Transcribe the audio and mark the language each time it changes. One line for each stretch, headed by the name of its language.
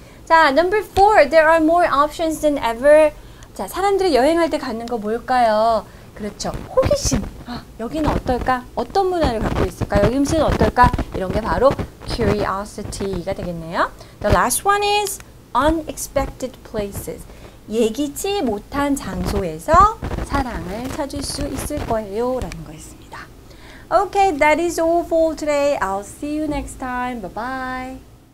English: 자, number four, there are more options than ever.
Korean: 자, 사람들이 여행할 때 갖는 거 뭘까요? 그렇죠. 호기심. 아, 여기는 어떨까? 어떤 문화를 갖고 있을까? 여기 음식은 어떨까? 이런 게 바로 curiosity가 되겠네요.
English: The last one is unexpected places.
Korean: 예기치 못한 장소에서 사랑을 찾을 수 있을 거예요. 라는 거였습니다.
English: Okay, that is all for today. I'll see you next time. Bye-bye.